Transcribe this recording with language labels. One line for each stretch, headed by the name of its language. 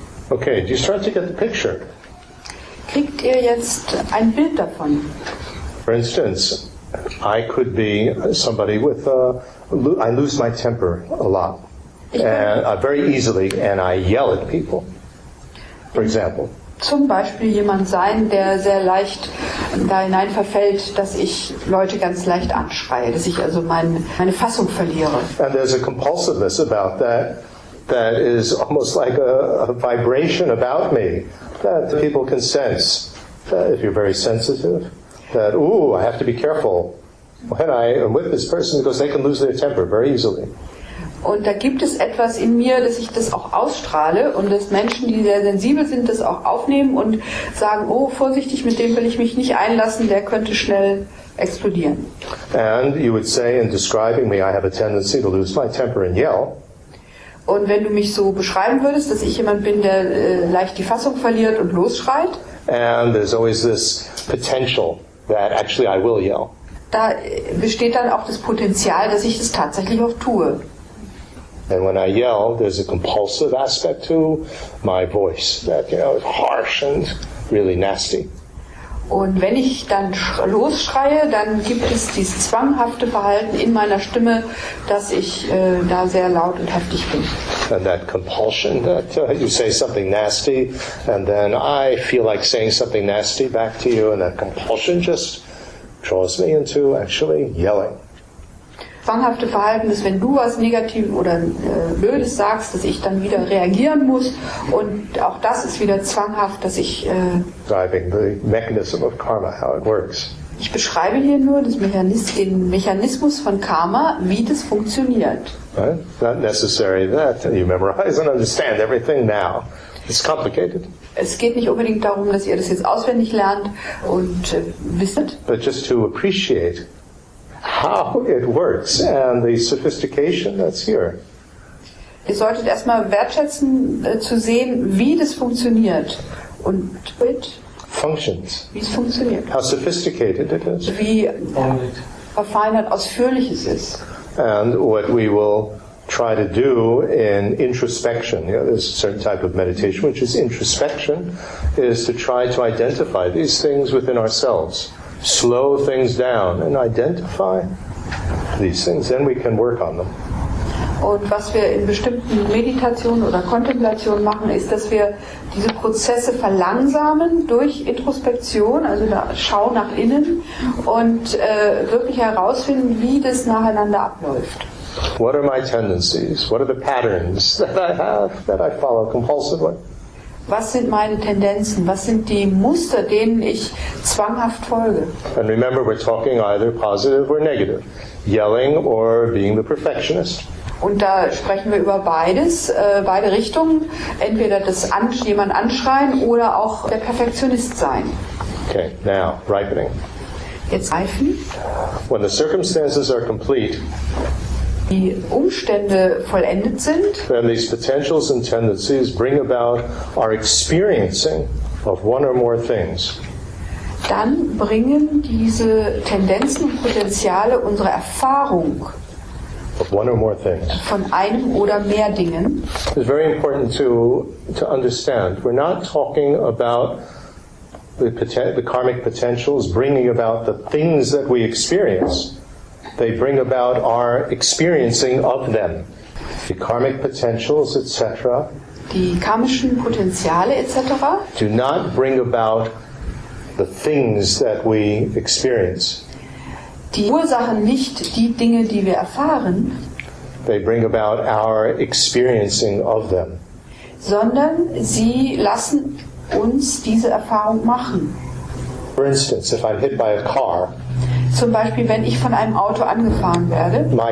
English: Okay, do you start to get the picture?
German: Kriegt ihr jetzt ein Bild davon?
English: For instance, I could be somebody with I lose my temper a lot, very easily, and I yell at people, for example.
German: Zum Beispiel jemand sein, der sehr leicht da hinein verfällt, dass ich Leute ganz leicht anschreie, dass ich also meine Fassung verliere.
English: And there's a compulsiveness about that, that is almost like a vibration about me, that people can sense, if you're very sensitive, that, ooh, I have to be careful when I am with this person, because they can lose their temper very easily.
German: Und da gibt es etwas in mir, dass ich das auch ausstrahle und dass Menschen, die sehr sensibel sind, das auch aufnehmen und sagen, oh, vorsichtig, mit dem will ich mich nicht einlassen, der könnte schnell explodieren.
English: And you would say in describing me, I have a tendency to lose my temper and yell.
German: Und wenn du mich so beschreiben würdest, dass ich jemand bin, der leicht die Fassung verliert und losschreit.
English: And there's always this potential that actually I will yell.
German: Da besteht dann auch das Potenzial, dass ich das tatsächlich auch tue.
English: And when I yell, there's a compulsive aspect to my voice that, you know, is harsh and really nasty.
German: Und wenn ich dann losschreie, dann gibt es dieses zwanghafte Verhalten in meiner Stimme, dass ich da sehr laut und heftig bin.
English: And that compulsion that you say something nasty and then I feel like saying something nasty back to you, and that compulsion just draws me into actually yelling.
German: Zwanghafte Verhalten ist, wenn du was Negatives oder Blödes sagst, dass ich dann wieder reagieren muss. Und auch das ist wieder zwanghaft, dass ich.
English: Describing the mechanism of karma, how it works.
German: Ich beschreibe hier nur den Mechanismus von Karma, wie das funktioniert.
English: Right? Not necessary that you memorize and understand everything now. It's complicated.
German: Es geht nicht unbedingt darum, dass ihr das jetzt auswendig lernt und wisst.
English: But just to appreciate how it works and the sophistication that's here.
German: Ihr solltet erstmal wertschätzen zu sehen, wie das funktioniert und it
English: functions.
German: Wie es funktioniert.
English: How sophisticated it is.
German: Wie verfeinert, ausführlich es ist.
English: And what we will try to do in introspection, you know, there's a certain type of meditation which is introspection, is to try to identify these things within ourselves. Slow things down and identify these things, then we can work on them.
German: Und was wir in bestimmten Meditationen oder Kontemplationen machen, ist, dass wir diese Prozesse verlangsamen durch Introspektion, also da Schau nach innen, und wirklich herausfinden, wie das nacheinander abläuft.
English: What are my tendencies? What are the patterns that I have that I follow compulsively?
German: Was sind meine Tendenzen? Was sind die Muster, denen ich zwanghaft folge?
English: And remember, we're talking either positive or negative. Yelling or being the perfectionist.
German: Und da sprechen wir über beides, beide Richtungen. Entweder das jemand anschreien oder auch der Perfektionist sein.
English: Okay, now, ripening.
German: Jetzt reifen.
English: When the circumstances are complete,
German: die Umstände vollendet sind,
English: then these potentials and tendencies bring about our experiencing of one or more things.
German: Dann bringen diese Tendenzen und Potenziale unsere Erfahrung
English: of one or more things.
German: Von einem oder mehr Dingen.
English: It's very important to understand. We're not talking about the karmic potentials bringing about the things that we experience. They bring about our experiencing of them. The karmic potentials, etc.
German: Die karmischen Potenziale, etc.
English: do not bring about the things that we experience.
German: Die Ursachen nicht die Dinge, die wir erfahren.
English: They bring about our experiencing of them.
German: Sondern sie lassen uns diese Erfahrung machen.
English: For instance, if I'm hit by a car,
German: zum Beispiel, wenn ich von einem Auto angefahren werde.